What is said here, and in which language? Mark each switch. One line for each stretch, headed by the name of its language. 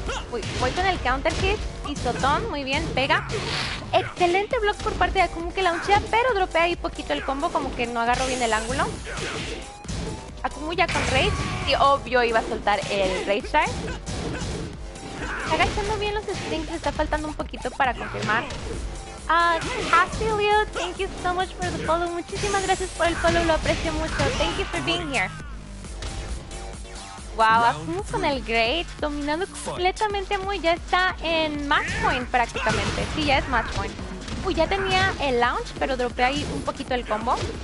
Spanish: Uy, voy con el counter hit. Isotón, muy bien, pega. Excelente block por parte de Akumu que launchea, pero dropea ahí poquito el combo, como que no agarró bien el ángulo. Akumu ya con Rage. Sí, obvio, iba a soltar el Rage Shard. Está agachando bien los strings, está faltando un poquito para confirmar.
English: Castillo, thank you so much for the follow.
Spanish: Muchísimas gracias por el follow, lo aprecio mucho.
English: Thank you for being here.
Spanish: Wow, Akumu con el Great, dominando completamente a Moy. Ya está en Match Point prácticamente. Sí, ya es Match Point. Uy, ya tenía el Launch, pero dropeé ahí un poquito el combo.